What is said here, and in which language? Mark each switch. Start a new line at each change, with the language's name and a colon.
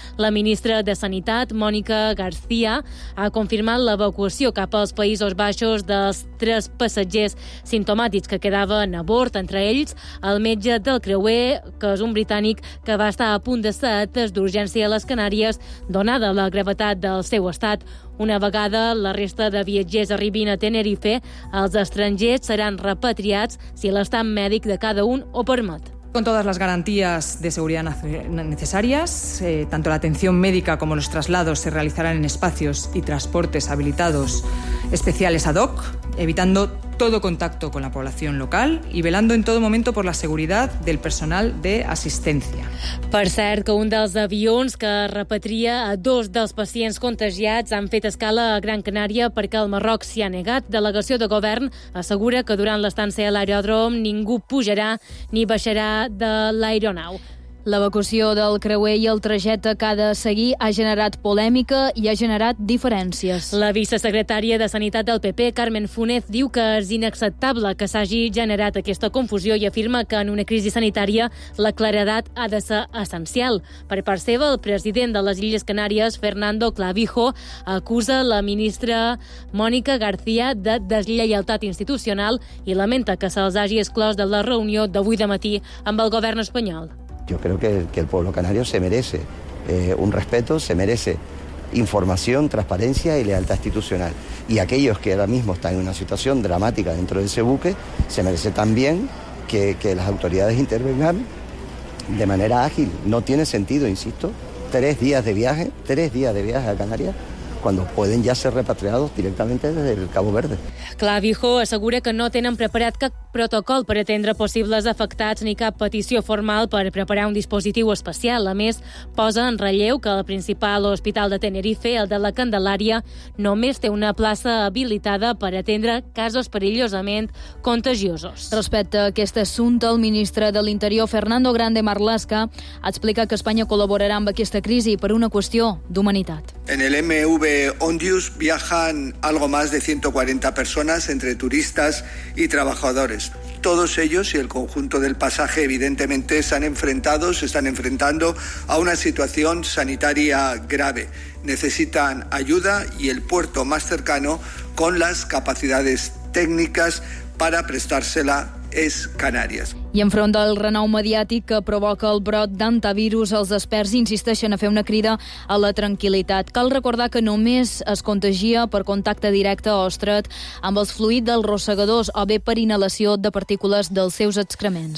Catalan: La ministra de Sanitat, Mònica García, ha confirmat l'evacuació cap als Països Baixos dels 3 passatgers sintomàtics que quedaven a bord, entre ells el metge del creuer, que és un britànic que va estar a punt de ser atès d'urgència a les Canàries, donada la gravetat del seu estat. Una vegada la resta de viatgers arribin a Tenerife, els estrangers seran repatriats si l'estat mèdic de cada un ho permet.
Spanish: Con todas las garantías de seguridad necesarias, tanto la atención médica como los traslados se realizarán en espacios y transportes habilitados especiales ad hoc, evitando todo contacto con la población local y velando en todo momento por la seguridad del personal de asistencia.
Catalan: Per cert, que un dels avions que repatria a 2 dels pacients contagiats han fet escala a Gran Canària perquè el Marroc s'hi ha negat. Delegació de govern assegura que durant l'estància a l'aeròdrom ningú pujarà ni baixarà de l'aeronau. L'evacuació del creuer i el trajecte que ha de seguir ha generat polèmica i ha generat diferències. La vicesecretària de Sanitat del PP, Carmen Funes, diu que és inacceptable que s'hagi generat aquesta confusió i afirma que en una crisi sanitària la claredat ha de ser essencial. Per part seva, el president de les Illes Canàries, Fernando Clavijo, acusa la ministra Mònica García de deslleialtat institucional i lamenta que se'ls hagi exclòs de la reunió d'avui de matí amb el govern espanyol.
Spanish: Yo creo que el pueblo canario se merece un respeto, se merece información, transparencia y lealtad institucional. Y aquellos que ahora mismo están en una situación dramática dentro de ese buque, se merece también que las autoridades intervengan de manera ágil. No tiene sentido, insisto, tres días de viaje a Canarias, cuando pueden ja ser repatriados directamente desde el Cabo Verde.
Catalan: Clavijo assegura que no tenen preparat cap protocol per atendre possibles afectats ni cap petició formal per preparar un dispositiu especial. A més, posa en relleu que el principal hospital de Tenerife, el de la Candelària, només té una plaça habilitada per atendre casos perillosament contagiosos. Respecte a aquest assumpte, el ministre de l'Interior, Fernando Grande Marlaska, explica que Espanya col·laborarà amb aquesta crisi per una qüestió d'humanitat.
Spanish: En el MV Ondius viajan algo más de 140 personas entre turistas y trabajadores. Todos ellos y el conjunto del pasaje evidentemente se están enfrentando a una situación sanitaria grave. Necesitan ayuda y el puerto más cercano con las capacidades técnicas para prestársela es Canarias.
Catalan: I enfront del renou mediàtic que provoca el brot d'antivirus, els experts insisteixen a fer una crida a la tranquil·litat. Cal recordar que només es contagia per contacte directe o estret amb els fluids dels rosegadors o bé per inhalació de partícules dels seus excrements.